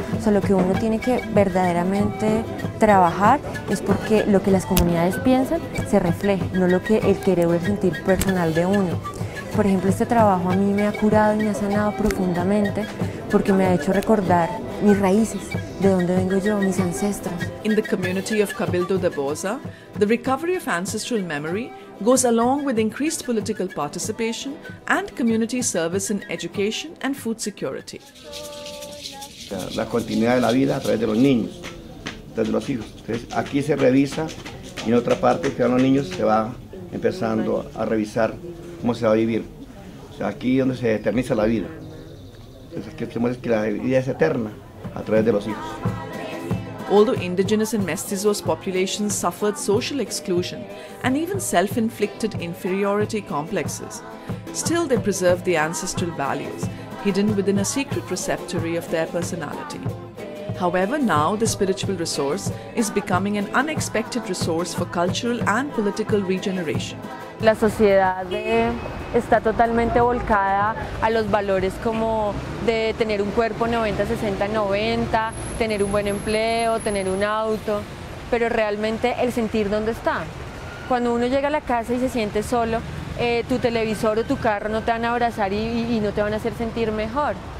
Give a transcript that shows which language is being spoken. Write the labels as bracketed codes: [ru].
[es] O sea, lo que uno tiene que verdaderamente trabajar es porque lo que las comunidades piensan se refleje, no lo que el querer o el sentir personal de uno. Por ejemplo, este trabajo a mí me ha curado y me ha sanado profundamente porque me ha hecho recordar mis raíces, de dónde vengo yo, mis ancestros. [en] In the community of Cabildo de Bosa, the recovery of ancestral memory goes along with increased political participation and community service in education and food security. [es] La continuidad de la vida a través de los niños, a través de los hijos. Entonces, aquí se revisa y en otra parte, que a los niños, se va empezando a revisar cómo se va a vivir. O sea, aquí es donde se eterniza la vida. Entonces, que la vida es eterna a través de los hijos. [en] Although indigenous and mestizos populations suffered social exclusion and even self-inflicted inferiority complexes, still they preserved the ancestral values hidden within a secret receptory of their personality. However, now the spiritual resource is becoming an unexpected resource for cultural and political regeneration. [es] La sociedad está totalmente volcada a los valores como de tener un cuerpo 90-60-90, tener un buen empleo, tener un auto, pero realmente el sentir dónde está. Cuando uno llega a la casa y se siente solo, tu televisor o tu carro no te van a abrazar y no te van a hacer sentir mejor.